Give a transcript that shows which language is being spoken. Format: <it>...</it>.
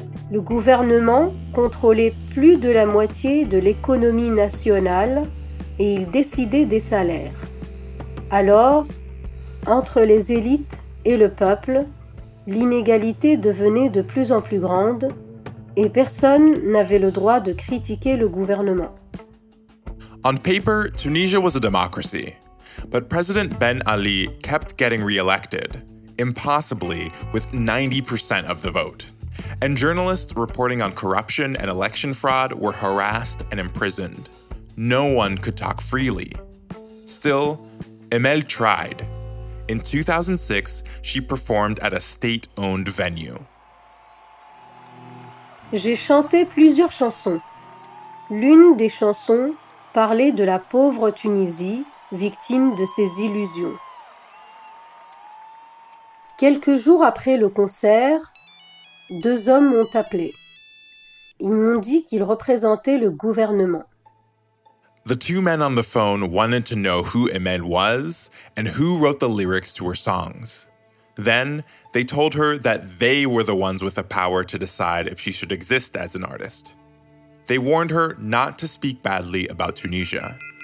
<fr>Le gouvernement contrôlait plus de la moitié de l'économie nationale et il décidait des salaires. Alors, entre les élites et le peuple, l'inégalité devenait de plus en plus grande et personne n'avait le droit de critiquer le gouvernement.</fr> <en>On paper, Tunisia was a democracy. But President Ben Ali kept getting reelected, impossibly, with 90% of the vote. And journalists reporting on corruption and election fraud were harassed and imprisoned. No one could talk freely. Still, Emel tried. In 2006, she performed at a state-owned venue.</en> <fr>J'ai chanté plusieurs chansons. L'une des chansons parlait de la pauvre Tunisie, victime de ses illusions. Quelques jours après le concert, deux hommes m'ont appelé. Ils m'ont dit qu'ils représentaient le gouvernement.</fr> <en>The two men on the phone wanted to know who Emel was and who wrote the lyrics to her songs. Then, they told her that they were the ones with the power to decide if she should exist as an artist. They warned her not to speak badly about Tunisia.</en>